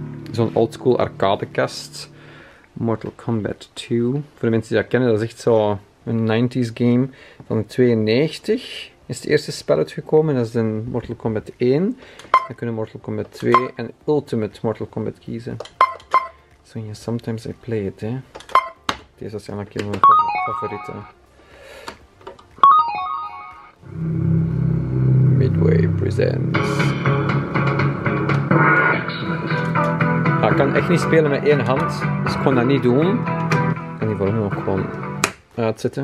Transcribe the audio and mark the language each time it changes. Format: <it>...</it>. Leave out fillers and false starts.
<nl>Zo'n old school arcadekast. Mortal Kombat 2. Voor de mensen die dat kennen, dat is echt zo een 90s game. Van 92 is het eerste spel uitgekomen. Dat is een Mortal Kombat 1. Dan kunnen Mortal Kombat 2 en Ultimate Mortal Kombat kiezen.</nl> <en>So yeah, sometimes I play it, hè.</en> <nl>Deze is eigenlijk een van mijn favorieten.</nl> <en>Midway presents.</en> <nl>Ja, ik kan echt niet spelen met één hand, dus ik kon dat niet doen. Ik kan die volume ook gewoon uitzetten.</nl>